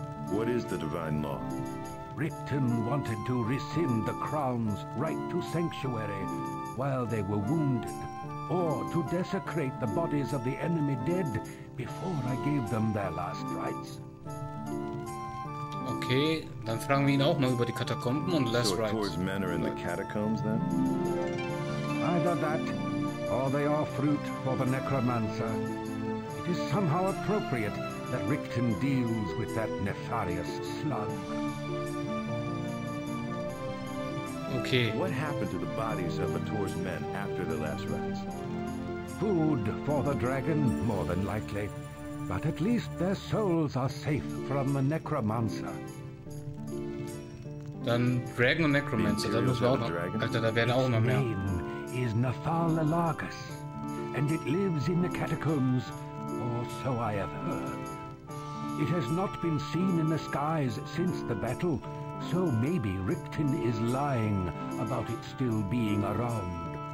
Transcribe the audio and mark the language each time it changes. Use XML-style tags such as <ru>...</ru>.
<en>What is the divine law? Richten wanted to rescind the crown's right to sanctuary while they were wounded, or to desecrate the bodies of the enemy dead before I gave them their last rites.</en> <de>Okay, dann fragen wir ihn auch mal über die Katakomben und last rites.</de> <en>So Tor's men are in the catacombs, then? Either that, or they are fruit for the necromancer. It is somehow appropriate that Richten deals with that nefarious slug. Okay. What happened to the bodies of Ator's men after the last rites? Food for the dragon, more than likely. But at least their souls are safe from the necromancer.</en> <de>Dann Dragon und Necromancer, dann müssen wir auch noch. Alter, da werden auch noch mehr.</de> <en>Is Nafalalagus, and it lives in the catacombs, or so I have heard. It has not been seen in the skies since the battle, so maybe Richten is lying about it still being around.</en>